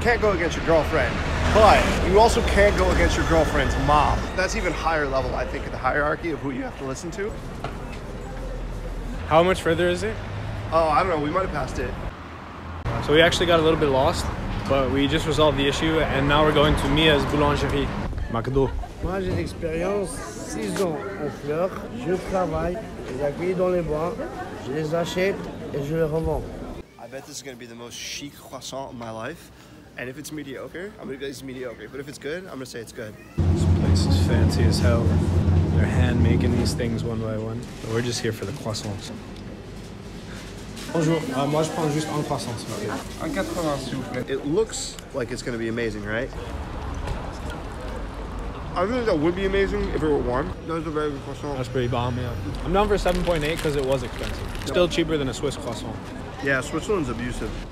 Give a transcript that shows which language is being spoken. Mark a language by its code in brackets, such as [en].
[en] Can't go against your girlfriend, but you also can't go against your girlfriend's mom. That's even higher level, I think, of the hierarchy of who you have to listen to. How much further is it? Oh, I don't know, we might have passed it. So we actually got a little bit lost, but we just resolved the issue and now we're going to Mia's boulangerie. McDo. [fr] Moi j'ai l'expérience 6 ans en fleurs, je travaille, je les accueille dans les bois, je les achète et je les revends. [en] I bet this is gonna be the most chic croissant of my life. And if it's mediocre, I'm gonna say it's mediocre, but if it's good, I'm gonna say it's good. This place is fancy as hell. They're hand making these things one by one. But we're just here for the croissants. [fr] Bonjour, moi je prends juste un croissant, s'il vous plaît. Un 80, s'il vous plaît. [en] It looks like it's gonna be amazing, right? I think that would be amazing if it were warm. That's a very good croissant. That's pretty bomb, yeah. I'm down for 7.8 because it was expensive. Still cheaper than a Swiss croissant. Yeah, Switzerland's abusive.